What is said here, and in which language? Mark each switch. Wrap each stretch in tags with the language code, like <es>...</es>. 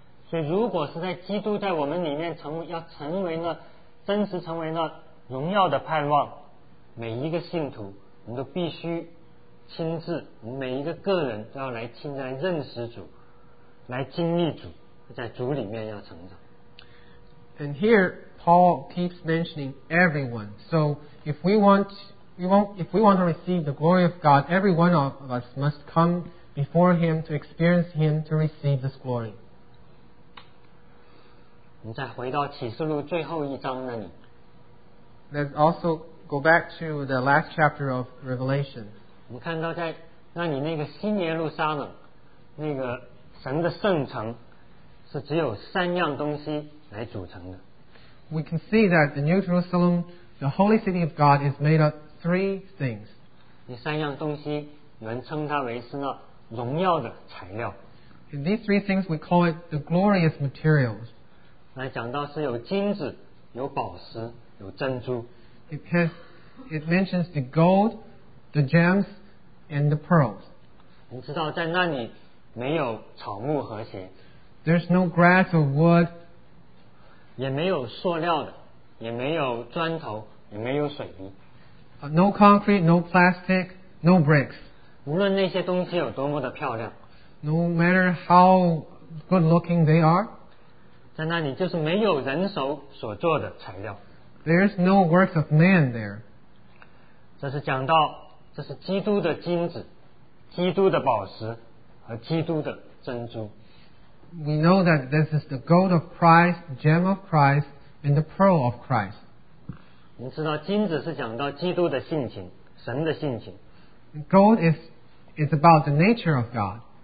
<zh>所以如果是在基督在我们里面要成为那真实成为那荣耀的盼望, 每一个信徒我们都必须亲自每一个个人都要来亲自来认识主来经历主在主里面要成长。</zh> <en>And here Paul keeps mentioning everyone. So if we want to receive the glory of God, every one of us must come before him to experience him to receive this glory.</en> <zh>我们再回到启示录最后一章那里。</zh> <en>There's also go back to the last chapter of Revelation.</en> <zh>我们看到在那里那个新耶路撒冷，那个神的圣城，是只有三样东西来组成的。</zh> <en>We can see that the New Jerusalem, the holy city of God, is made up three things.</en> <zh>那三样东西，能称它为是那荣耀的材料。</zh> <en>In these three things, we call it the glorious materials.</en> <zh>来讲到是有金子，有宝石，有珍珠。</zh> <en>It mentions the gold, the gems, and the pearls.</en> <zh>你知道在那里没有草木和鞋,</zh> <en>there's no grass or wood,</en> <zh>也没有塑料的, 也没有砖头, 也没有水泥,</zh> <en>no concrete, no plastic, no bricks.</en> <zh>无论那些东西有多么的漂亮,</zh> <en>no matter how good looking they are,</en> <zh>在那里就是没有人手所做的材料,</zh> <en>there's no works of man there.</en> <zh>这是讲到这是基督的金子基督的宝石和基督的珍珠。</zh> <en>We know that this is the gold of Christ, gem of Christ, and the pearl of Christ.</en> <zh>你知道金子是讲到基督的性情神的性情。</zh> <en>Gold is about the nature of God.</en>